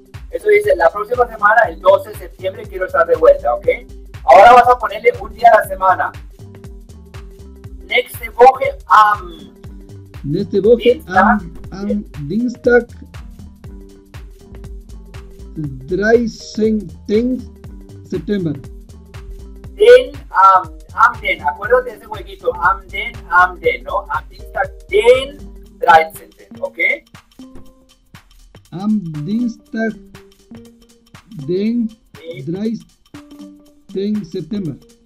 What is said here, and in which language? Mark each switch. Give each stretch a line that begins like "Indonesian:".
Spanish: Eso dice, la próxima semana, el 12 de septiembre, quiero estar de vuelta, ¿ok? Ahora vas a ponerle un día a la semana.
German: Nächste Woche am... Nächste Woche am Dienstag 13. September. Den, am den,
Spanish: acuérdate de ese jueguito,
German: am den,
Spanish: ¿no?
German: Am Dienstag den 13, ¿ok? Am Dienstag den 13 September.